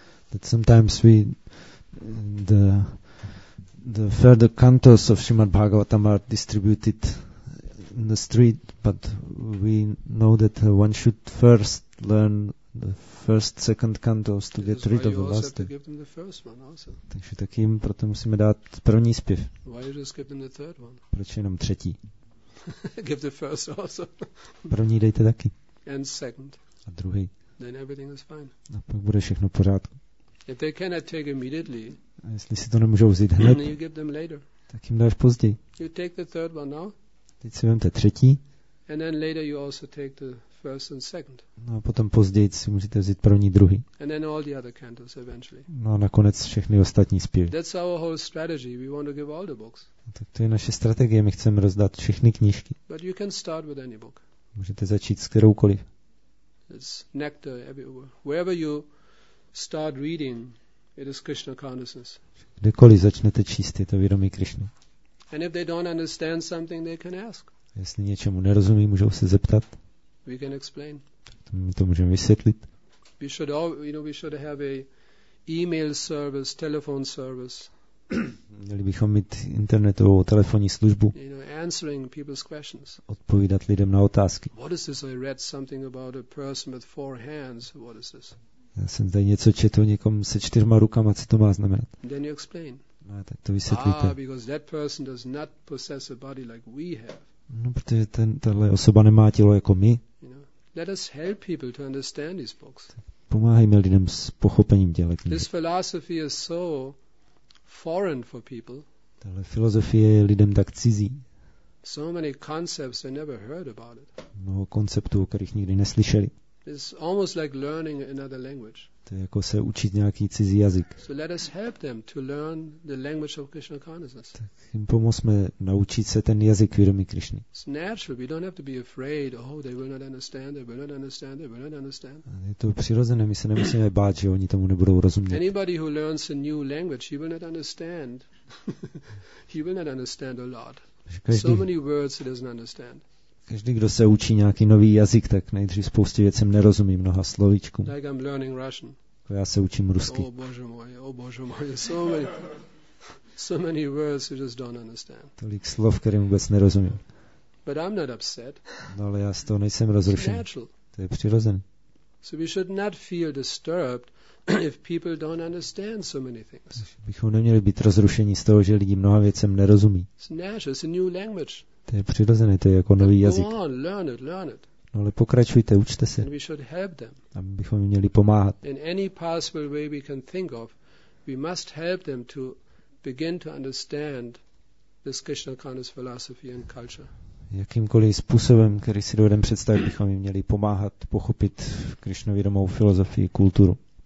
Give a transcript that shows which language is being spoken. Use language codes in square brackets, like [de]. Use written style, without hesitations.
[en] That sometimes we the further cantos of Srimad Bhagavatam are distributed in the street, but we know that one should first learn the first, second cantos to get rid of the last. Why you also have to give them the first one also? [cs] Takže takým proto musíme dát první zpěv. [en] Why you just give them the third one? [cs] Proč jenom třetí? [en] Give the first also. [cs] První dejte taky. [en] And second. [cs] A druhý. [en] Then everything is fine. [cs] A pak bude všechno v pořádku. [en] If they cannot take immediately, [cs] a jestli si to nemůžou vzít hned, [en] you give them later. [cs] Tak jim dáš později. [en] You take the third one now. [cs] Teď si vemte třetí. [en] And then later you also take the first and second. [cs] No a potom později si musíte vzít první, druhý. [en] And then all the other cantos eventually. [cs] No a nakonec všechny ostatní zpěvy. [en] That's our whole strategy. We want to give all the books. [cs] No, tak to je naše strategie. My chceme rozdat všechny knížky. [en] But you can start with any book. [cs] Můžete začít s kteroukoliv. [en] It's nectar everywhere. Wherever you start reading, it is Krishna consciousness. [cs] Kdekoliv začnete číst, je to vědomí Krishna. [en] And if they don't understand something, they can ask. [cs] Jestli něčemu nerozumí, můžou se zeptat. [en] We can explain. [cs] My to můžeme vysvětlit. [en] We should all, you know, we should have a email service, telephone service. [cs] Měli bychom mít internetovou telefonní službu. [en] You know, answering people's questions. [cs] Odpovídat lidem na otázky. [en] What is this? I read something about a person with four hands. What is this? [cs] Já jsem tady něco četl někomu se čtyřma rukama, co to má znamenat. [en] Then you explain. [cs] No, tak to vysvětlíte. [en] Ah, because that person does not possess a body like we have. [cs] No, protože tahle osoba nemá tělo jako my. [en] You know, let us help people to understand these books. [cs] Pomáhajme lidem s pochopením těchto knih. [en] This philosophy is so foreign for people. [cs] Tahle filozofie je lidem tak cizí. [en] So many concepts they never heard about it. [cs] Mnoho konceptů, o kterých nikdy neslyšeli. [en] It's almost like learning another language. [cs] To je jako se učit nějaký cizí jazyk. [en] So let us help them to learn the language of Krishna consciousness. [cs] Tak jim pomozme naučit se ten jazyk vědomí Krišny. [en] It's natural. We don't have to be afraid. Oh, they will not understand. They will not understand. They will not understand. [cs] Je to přirozené. My se nemusíme bát, že oni tomu nebudou rozumět. [en] Anybody who learns a new language, he will not understand. He will not understand a lot. So many words he doesn't understand. [cs] Každý, kdo se učí nějaký nový jazyk, tak nejdřív spoustě věcem nerozumí mnoha slovíčkům. [en] Like I'm learning Russian. [cs] Já se učím rusky. [en] Oh [cs] bože moje, [en] so many words you just don't understand. [cs] Tolik slov, kterým vůbec nerozumím. [en] But I'm not upset. [cs] No, ale já z toho nejsem rozrušen. To je přirozené. [en] So we should not feel disturbed if people don't understand so many things. [cs] Bychom neměli být rozrušení z toho, že lidi mnoha věcem nerozumí. [en] It's natural, it's a new language. [cs] To je přirozené, to je jako nový jazyk. [en] On, learn it. [cs] No ale pokračujte, učte se. [en] And we should help them. [cs] A my bychom jim měli pomáhat. [en] In any possible way we can think of, we must help them to begin to understand this Krishna consciousness philosophy and culture. [cs] Jakýmkoliv způsobem, který si dovedem představit, bychom jim měli pomáhat pochopit krišnovědomou filozofii a kulturu.